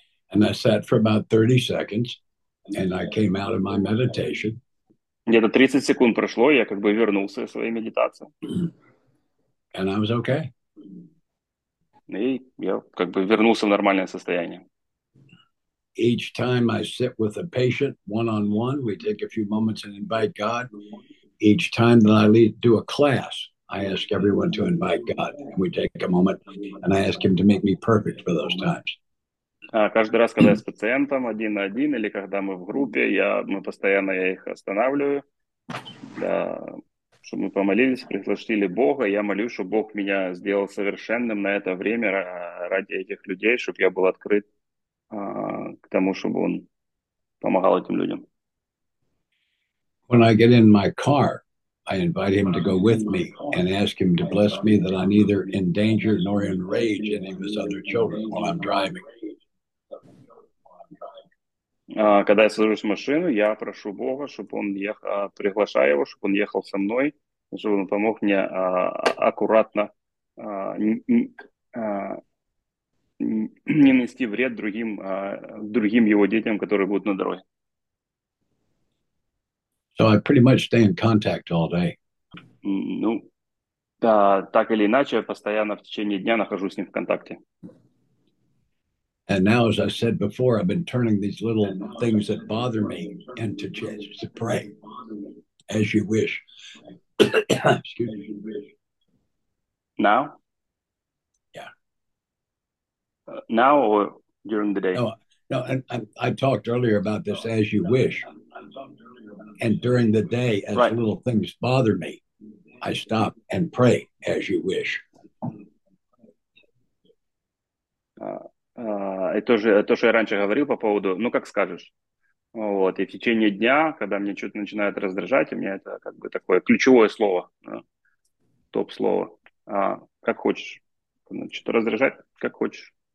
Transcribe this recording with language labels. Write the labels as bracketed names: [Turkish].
[English] And I sat for about 30 seconds. And I came out of my meditation. [Russian] Где-то 30 секунд прошло, я как бы вернулся из своей медитации. [English] And I was okay. [Russian] И я как бы вернулся в нормальное состояние. [English] Each time I sit with a patient one-on-one, we take a few moments and invite God. Each time that I do a class, I ask everyone to invite God. And we take a moment and I ask him to make me perfect for those times. [Russian] Каждый раз, когда я с пациентом один на один или когда мы в группе, я постоянно их останавливаю, да, чтобы мы помолились, пригласили Бога. Я молюсь, чтобы Бог меня сделал совершенным на это время ради этих людей, чтобы я был открыт к тому, чтобы он помогал этим людям. [English] When I get in my car, I invite him to go with me and ask him to bless me that I'm neither in danger nor in rage any of his other children while I'm driving. [Russian] Когда я сажусь в машину, я прошу Бога, чтобы он приглашаю его, чтобы он ехал со мной, чтобы он помог мне аккуратно не нанести вред другим его детям, которые будут на дороге. [English] So I pretty much stay in contact all day. [Russian] Ну, да, так или иначе, я постоянно в течение дня нахожусь с ним в контакте. [English] And now, as I said before, I've been turning these little things that bother me into chances to pray, as you wish. Excuse me. Now? Yeah. Now or during the day? No, and I talked earlier about this, as you wish. And during the day, as right. Little things bother me, I stop and pray, as you wish. [Russian] То, что я раньше говорил по поводу, ну, как скажешь. Вот, и в течение дня, когда мне что-то начинает раздражать, у меня это как бы такое ключевое слово, топ-слово. А, как хочешь. Что-то раздражать, как хочешь.